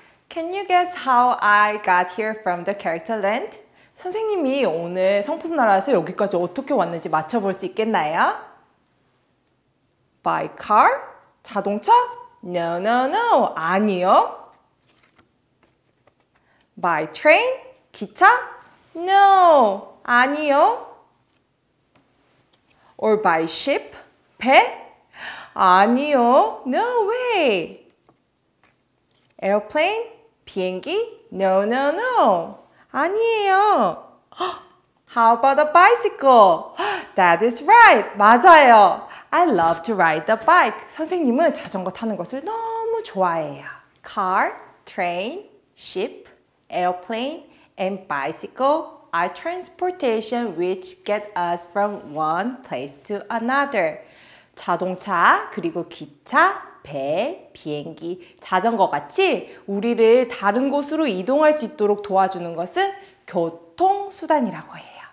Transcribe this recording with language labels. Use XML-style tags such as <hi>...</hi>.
<en>Can you guess how I got here from the character land?</en> <ko>선생님이 오늘 성품 나라에서 여기까지 어떻게 왔는지 맞춰볼 수 있겠나요?</ko> <en>By car?</en> <ko>자동차?</ko> <en>No, no, no!</en> <ko>아니요!</ko> <en>By train?</en> <ko>기차?</ko> <en>No!</en> <ko>아니요!</ko> <en>Or by ship?</en> <ko>배? 아니요.</ko> <en>No way. Airplane?</en> <ko>비행기?</ko> <en>No, no, no.</en> <ko>아니에요.</ko> <en>How about a bicycle? That is right.</en> <ko>맞아요.</ko> <en>I love to ride the bike.</en> <ko>선생님은 자전거 타는 것을 너무 좋아해요.</ko> <en>Car, train, ship, airplane, and bicycle are transportation which get us from one place to another.</en> <ko>자동차, 그리고 기차, 배, 비행기, 자전거 같이 우리를 다른 곳으로 이동할 수 있도록 도와주는 것은 교통수단이라고 해요.</ko>